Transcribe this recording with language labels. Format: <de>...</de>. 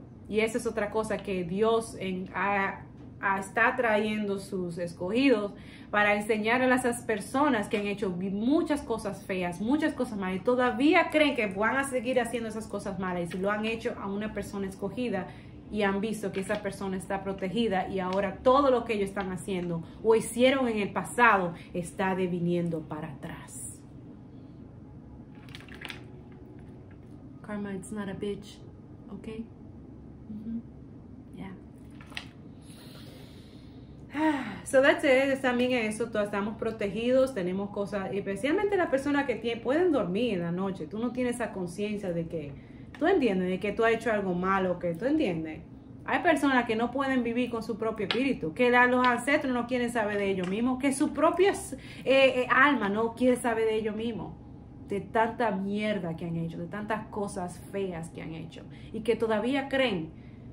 <es>Y esa es otra cosa que Dios está trayendo sus escogidos para enseñar a esas personas que han hecho muchas cosas feas, muchas cosas malas, y todavía creen que van a seguir haciendo esas cosas malas. Y si lo han hecho a una persona escogida y han visto que esa persona está protegida y ahora todo lo que ellos están haciendo o hicieron en el pasado está deviniendo para atrás.</es> <en>Karma, it's not a bitch, okay? So that's it,</en> <es>también eso, todos estamos protegidos, tenemos cosas, especialmente las personas que pueden dormir en la noche, tú no tienes esa conciencia de que, tú entiendes, de que tú has hecho algo malo, que tú entiendes. Hay personas que no pueden vivir con su propio espíritu, que los ancestros no quieren saber de ellos mismos, que su propia alma no quiere saber de ellos mismos, de tanta mierda que han hecho, de tantas cosas feas que han hecho, y que todavía creen.</es>